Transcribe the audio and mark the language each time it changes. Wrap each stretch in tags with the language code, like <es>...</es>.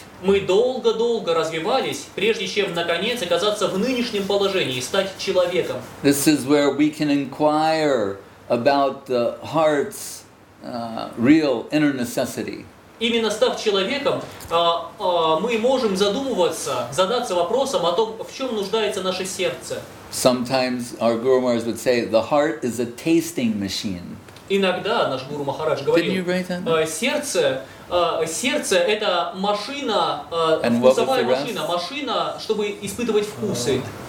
<ru>Мы долго-долго развивались, прежде чем наконец оказаться в нынешнем положении, стать человеком.</ru> <en>This is where we can inquire about the heart's real inner necessity.</en> <ru>Именно став человеком, мы можем задаться вопросом о том, в чем нуждается наше сердце.</ru> <en>Sometimes our Guru Maharaj would say, the heart is a tasting machine.</en> <ru>Иногда наш Гуру Махарадж говорил, сердце — это машина, вкусовая машина, машина, чтобы испытывать вкусы.</ru>